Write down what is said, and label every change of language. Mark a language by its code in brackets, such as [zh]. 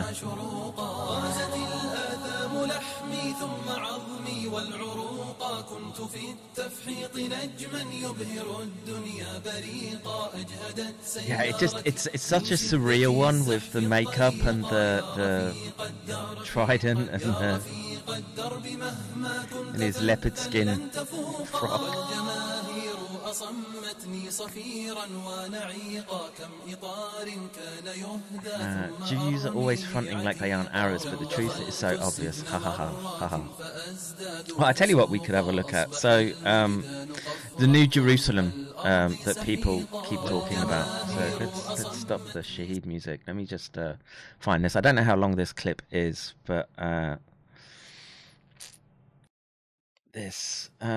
[ar] غازت الآثام لحمي ثم عظمي والعروقا كنت في التفحيط نجما يبهر الدنيا بريقا أجهدت سيارتي [en] Yeah, it's such a surreal one with the makeup and the trident and his leopard skin frock. [ar] فصمتني صفيرا ونعيقا كم إطار كان يهدى [en] Jews are always fronting like they aren't Arabs, but the truth is so obvious. Ha ha ha ha ha. Well, I tell you what we could have a look at. So, the New Jerusalem that people keep talking about. So let's stop the Shaheed music. Let me just find this. I don't know how long this clip is, but this.